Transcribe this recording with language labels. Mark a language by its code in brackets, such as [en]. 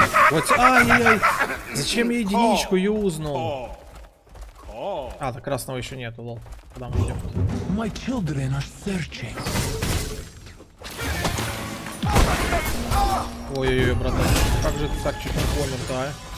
[ru] Вот, ай-яй-яй. Зачем я единичку юзнул? А, так красного еще нету, лол. Куда мы идем? [en] My children are searching. [ru] Ой-ой-ой, братан, как же ты так чуть не помер-то, а?